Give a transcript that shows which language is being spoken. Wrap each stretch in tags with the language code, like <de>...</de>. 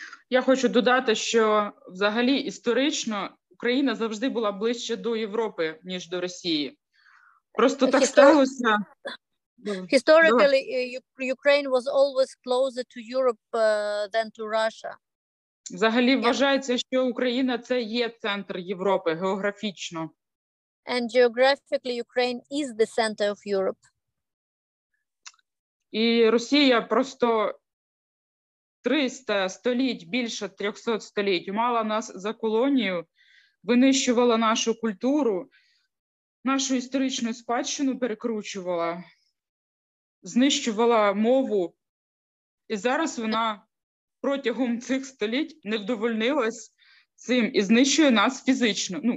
<uk>Я хочу додати, що взагалі історично Україна завжди була ближче до Європи, ніж до Росії. Просто так сталося.</uk> <en>Historically, Ukraine was always closer to Europe than to Russia.</en> <uk>Взагалі вважається, що Україна – це є центр Європи географічно.</uk> <en>And geographically Ukraine is the center of Europe.</en> <uk>І Росія просто 300 століть, більше 300 століть мала нас за колонію, винищувала нашу культуру, нашу історичну спадщину перекручувала, знищувала мову, і зараз вона протягом цих століть не вдовольнилась цим і знищує нас фізично.</uk>